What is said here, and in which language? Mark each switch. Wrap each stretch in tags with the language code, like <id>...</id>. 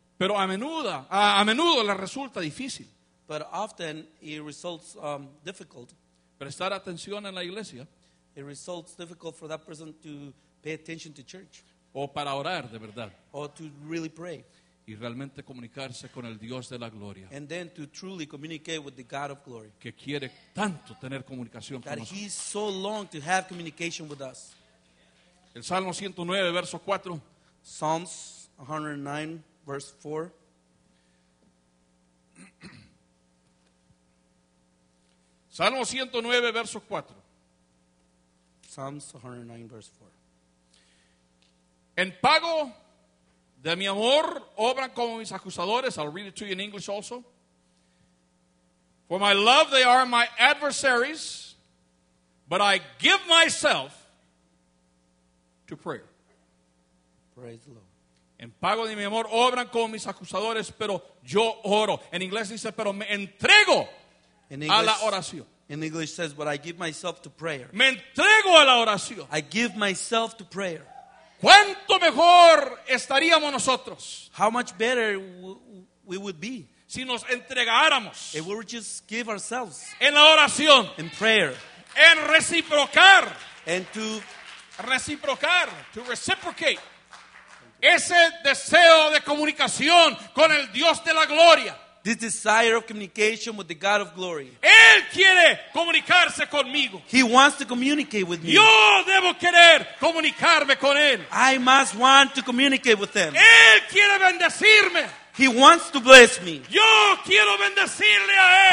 <es>Pero a menudo le resulta difícil.</es> <en>But often it results difficult.</en> <es>Prestar atención en la iglesia.</es> <en>It results difficult for that person to pay attention to church.</en> <es>O para orar de verdad.</es> <en>Or to really pray.</en> <es>Y realmente comunicarse con el Dios de la gloria.</es> <en>And then to truly communicate with the God of glory.</en> <es>Que quiere tanto tener comunicación con nosotros.</es> <en>That he's so long to have communication with us.</en> <es>El Salmo 109, verso 4.</es> <en>Psalms 109, verse 4.</en> <es>Salmo 109, verso 4.</es> <en>Psalms 109, verse 4.</en> <es>En pago de mi amor, obran como mis acusadores.</es> <en>I'll read it to you in English also. For my love, they are my adversaries, but I give myself to prayer. Praise the Lord.</en> <es>En pago de mi amor, obran como mis acusadores, pero yo oro. En inglés dice, pero me entrego a la oración.</es> <en>In English says, but I give myself to prayer.</en> <es>Me entrego a la oración.</es> <en>I give myself to prayer.</en> <es>¿Cuánto mejor estaríamos nosotros?</es> <en>How much better we would be.</en> <es>Si nos entregáramos.</es> <en>If we would just give ourselves.</en> <es>En la oración.</es> <en>In prayer.</en> <es>En reciprocar.</es> <en>And to reciprocar. To reciprocate.</en> <es>Ese deseo de comunicación con el Dios de la gloria.</es> <en>This desire of communication with the God of glory.</en> <es>Él quiere comunicarse conmigo.</es> <en>He wants to communicate with me.</en> <es>Yo debo querer comunicarme con él.</es> <en>I must want to communicate with him.</en> <es>Él quiere bendecirme.</es> <en>He wants to bless me.</en> <es>Yo quiero bendecirle a él.</es>